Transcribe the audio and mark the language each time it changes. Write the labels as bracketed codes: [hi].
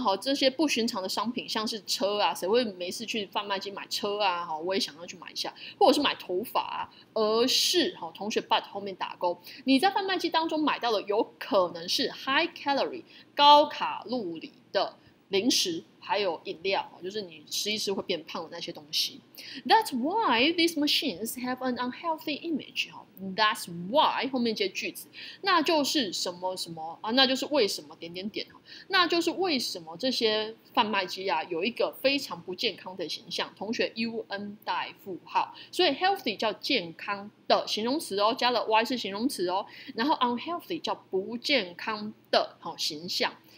[zh] 好，这些不寻常的商品，像是车啊，谁会没事去贩卖机买车啊？好，我也想要去买一下，或者是买头发啊。而是，好，同学 ，but 后面打勾，你在贩卖机当中买到的有可能是 high calorie 高卡路里的零食。还有饮料，就是你吃一吃会变胖的那些东西。 [en] That's why these machines have an unhealthy image. That's why [zh] 后面接句子，那就是什么什么啊？那就是为什么点点点，那就是为什么这些贩卖机啊有一个非常不健康的形象。同学 ，un 带负号，所以 healthy 叫健康的形容词哦，加了 y 是形容词哦，然后 unhealthy 叫不健康的形象。